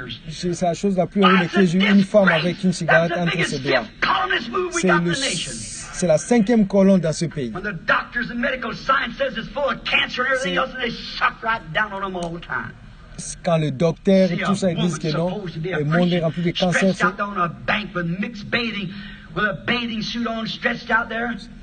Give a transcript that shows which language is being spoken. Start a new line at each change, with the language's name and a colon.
French: C'est la chose la plus horrible que j'ai une femme avec une cigarette entre ses doigts. C'est le. C'est la cinquième colonne dans ce pays.
English: When the doctors and medical science says it's full of cancer and everything else, and they suck right down on them all the time.
French: Quand le docteur et tout ça disent que non, le monde est rempli de cancer.
English: Stretched out on a bank with mixed bathing, with a bathing suit on, stretched out there.